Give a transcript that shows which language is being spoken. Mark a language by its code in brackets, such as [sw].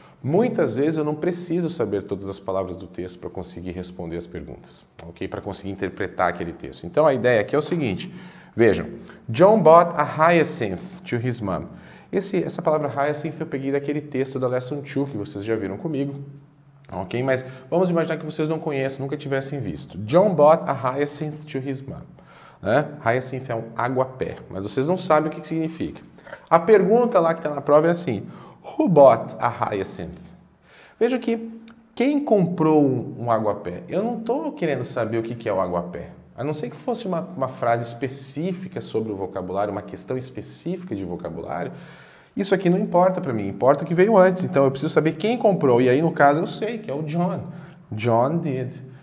[pt] Muitas vezes eu não preciso saber todas as palavras do texto para conseguir responder as perguntas, ok? Para conseguir interpretar aquele texto. Então a ideia aqui é o seguinte, vejam, [en] John bought a hyacinth to his mom. [pt] Essa palavra hyacinth eu peguei daquele texto da Lesson 2 que vocês já viram comigo, ok? Mas vamos imaginar que vocês não conhecem, nunca tivessem visto. [en] John bought a hyacinth to his mom. [pt] Hyacinth é um aguapé, mas vocês não sabem o que significa. A pergunta lá que está na prova é assim, [en] who bought a hyacinth? [pt] Veja que quem comprou um aguapé? Eu não estou querendo saber o que é o aguapé, a não ser que fosse uma frase específica sobre o vocabulário, uma questão específica de vocabulário, isso aqui não importa para mim, importa o que veio antes, então eu preciso saber quem comprou, e aí no caso eu sei que é o John. [en] John did.